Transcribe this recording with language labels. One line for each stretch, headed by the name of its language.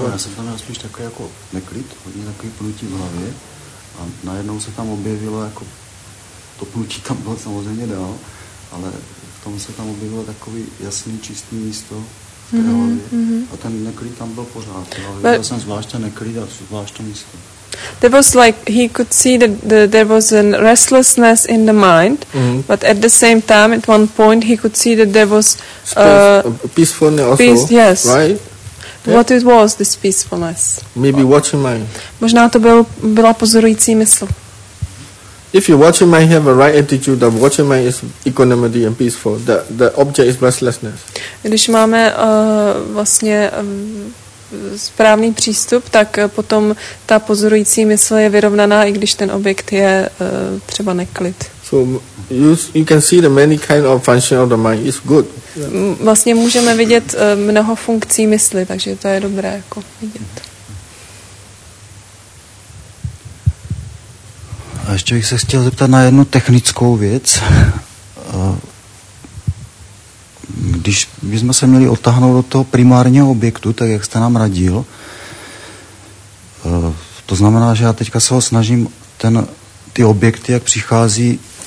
Czech: Já jsem tam měl spíš takový jako neklid, hodně takový pnutí v hlavě a najednou se tam objevilo jako to pnutí tam bylo samozřejmě dál, ale tam se tam objevilo takové jasné, čisté místo mm-hmm. a ten neklid tam byl pořád. Viděl jsem zvláště neklid a zvláště místo.
English: There was like he could see that there was a restlessness in the mind, mm-hmm. but at the same time, at one point, he could see that there was peacefulness also. Peace, yes. Right. Yeah. What it was, this peacefulness? Maybe watching mind.
Czech: Možná to byla pozorující mysl.
English: If you watch your mind, have a right attitude of watching mind is equanimity and peaceful. The object is restlessness.
Czech: Když máme vlastně správný přístup, tak potom ta pozorující mysl je vyrovnaná, i když ten objekt je třeba neklid.
English: So you can see the many kind of function of the mind is good.
Czech: Vlastně můžeme vidět mnoho funkcí mysli, takže to je dobré jako vidět. A ještě bych se chtěl zeptat na jednu technickou věc. Když bychom se měli odtáhnout do toho primárního objektu, tak jak jste nám radil, to znamená, že já teďka se ho snažím ty objekty, jak přichází,